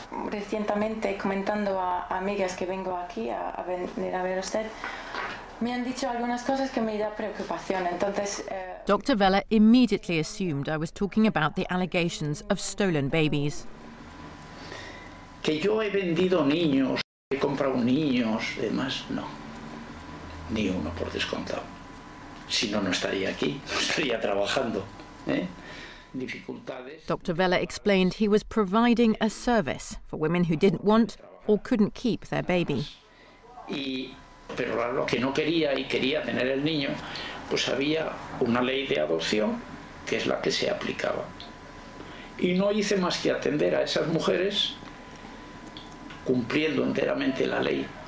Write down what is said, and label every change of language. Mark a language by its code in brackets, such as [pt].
[es] Recientemente, comentando a amigas que vengo aquí a venir a ver a usted, me han dicho algunas cosas que me da preocupación. Entonces, [en] Dr. Vela immediately assumed I was talking about the allegations of stolen babies. [es] Que yo he vendido niños, he comprado niños, demás, no. Ni uno por descontado. Si no, no estaría aquí, no estaría trabajando. Dificultades. [en] Dr. Vela explained he was providing a service for women who didn't want or couldn't keep their baby. [es] Pero lo que no quería y quería tener el niño, pues había una ley de adopción que es la que se aplicaba. Y no hice más que atender a esas mujeres cumpliendo enteramente la ley.